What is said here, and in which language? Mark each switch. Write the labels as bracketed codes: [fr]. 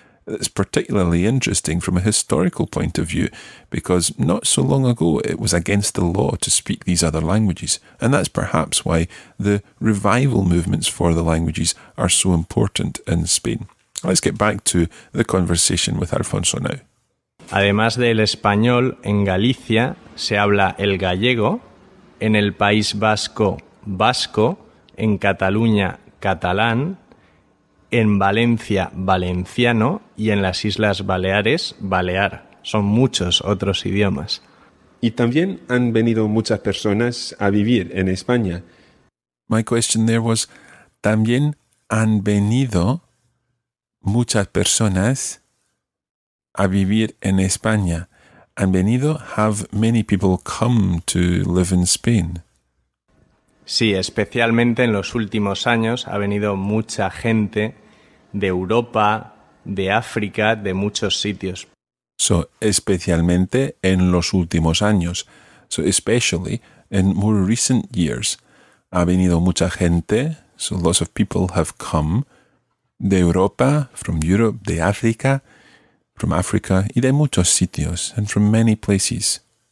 [en] It's particularly interesting from a historical point of view, because not so long ago it was against the law to speak these other languages, and that's perhaps why the revival movements for the languages are so important in Spain. Let's get back to the conversation with Alfonso now. [es] Además del español, en Galicia se habla el gallego, en el País Vasco, vasco, en Cataluña, catalán, en Valencia, valenciano, y en las Islas Baleares, balear. Son muchos otros idiomas. Y también han venido muchas personas a vivir en España. [en] My question there was, [es] también han venido muchas personas a vivir en España. Han venido, [en] have many people come to live in Spain. [es] Sí, especialmente en los últimos años ha venido mucha gente de Europa, de África, de muchos sitios. [en] So, [es] especialmente en los últimos años. [en] So, especially in more recent years. [es] Ha venido mucha gente, [en] so lots of people have come, [es] de Europa, [en] from Europe, [es] de África, [en] from Africa, [es] y de muchos sitios, [en] and from many places.